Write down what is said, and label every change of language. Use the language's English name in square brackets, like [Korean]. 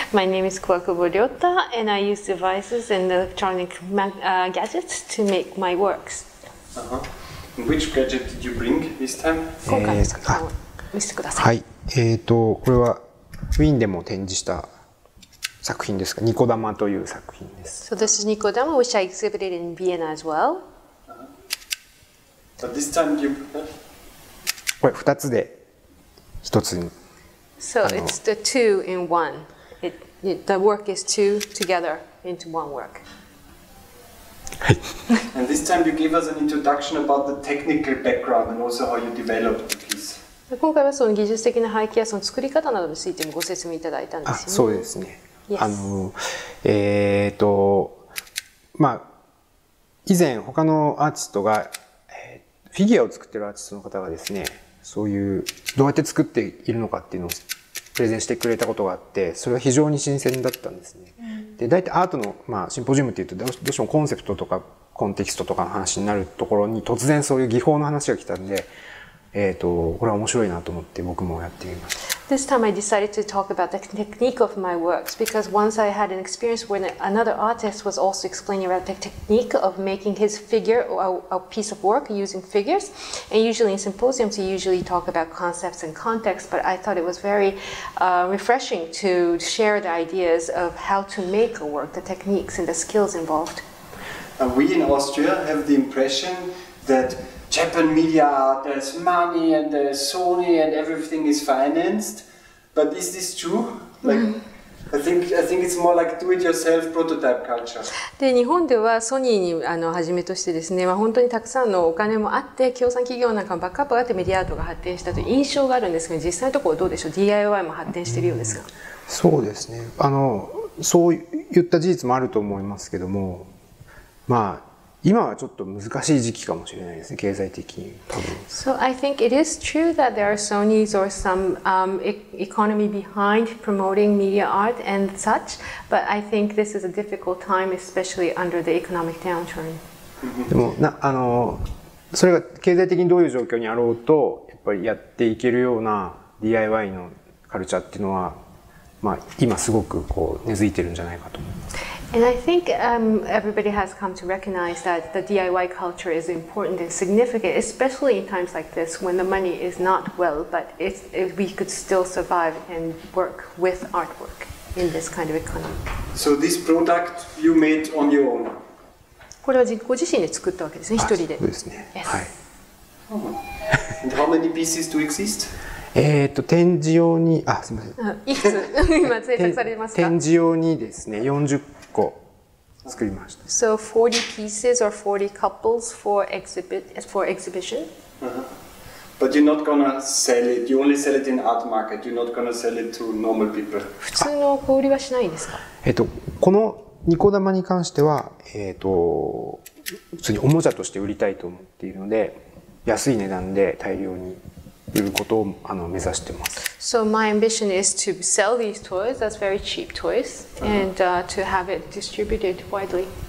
[English] My name is クワクボリョータ and I use devices and electronic gadgets to make my works. Which gadget did you bring this time? [Japanese] 今回の作品を見せてください。はい、これはウィーンでも展示した作品ですか。ニコ玉という作品です。 [English] So this is ニコ玉 which I exhibited in Vienna as well. But this time you... [Japanese] これ2つで1つに。 [English] So it's the two in one. The work is two together into one work. [Japanese] はい。 [English] And this time you gave us an introduction about the technical background and also how you developed the piece. [Japanese] 今回はその技術的な背景やその作り方などについてもご説明いただいたんですよね。あ、そうですね。 [English] Yes. [Japanese] まあ以前他のアーティストが、フィギュアを作ってるアーティストの方がですね、そういうどうやって作っているのかっていうのをプレゼンしてくれたことがあって、それは非常に新鮮だったんですね。で、大体アートの、まあ、シンポジウムっていうとどうしてもコンセプトとかコンテキストとかの話になるところに突然そういう技法の話が来たんで。これは面白いなと思って僕もやってみました。 [English] This time I decided to talk about the technique of my works because once I had an experience when another artist was also explaining about the technique of making his figure or a piece of work using figures. And usually in symposiums, you usually talk about concepts and context, but I thought it was very refreshing to share the ideas of how to make a work, the techniques and the skills involved. We in Austria have the impression that Japan media, there's money and there's Sony and everything is financed. But is this true? Like, I think it's more like do-it-yourself prototype culture. [Japanese] で、日本ではソニーにはじめとしてですね、まあ、本当にたくさんのお金もあって、協賛企業なんかもバックアップがあってメディアアートが発展したという印象があるんですけど、実際のところどうでしょう？ DIY も発展しているようですか？そうですね。そう言った事実もあると思いますけども、まあ、今はちょっと難しい時期かもしれないですね、経済的に多分。 [English] So I think it is true that there are Sony's or some economy behind promoting media art and such, but I think this is a difficult time, especially under the economic downturn. [Japanese] でもそれが経済的にどういう状況にあろうと、やっぱりやっていけるような DIY のカルチャーっていうのは、まあ、今すごくこう根付いてるんじゃないかと思います。 [English] And I think everybody has come to recognize that the DIY culture is important and significant, especially in times like this when the money is not well, but we could still survive and work with artwork in this kind of economy. So this product you made on your own? [Japanese] これはご自身で作ったわけですね、一人で。そうですね。 [English] Yes. [Japanese] はい。 [English] And how many pieces do exist? [Japanese] 展示用に、あ、すみません。いくつ今制作されますか？展示用にですね、40個作りました。 [English] So 40 pieces or 40 couples for exhibition? Uh-huh. But you're not gonna sell it. You only sell it in art market. You're not gonna sell it to normal people. [Japanese] 普通の小売りはしないんですか？このニコ玉に関しては、普通におもちゃとして売りたいと思っているので、安い値段で大量に。いうことを目指してます。 [English] So my ambition is to sell these toys as very cheap toys and to have it distributed widely.